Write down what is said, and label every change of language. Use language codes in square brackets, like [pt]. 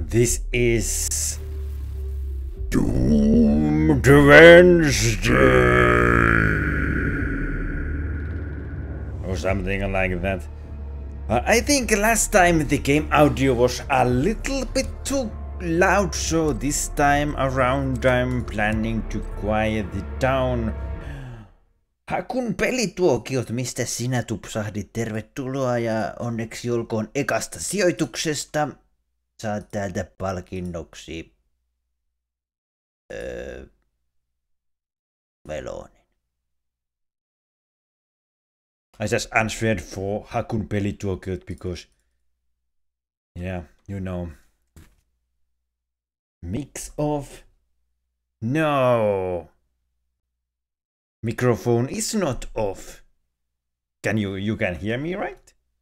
[en] This is Doomed Wednesday, or something like that. I think last time the game audio was a little bit too loud, so this time around I'm planning to quiet it down. [fi] Hakun pelituokiot, mistä sinä tupsahdit, tervetuloa ja onneksi olkoon ekasta sijoituksesta. Saat täältä palkinnoksi melonin. [en] I just answered for Hakun pelituokiot because, yeah, you know, mix of no. Microphone is not off. Can you, you can hear me, right?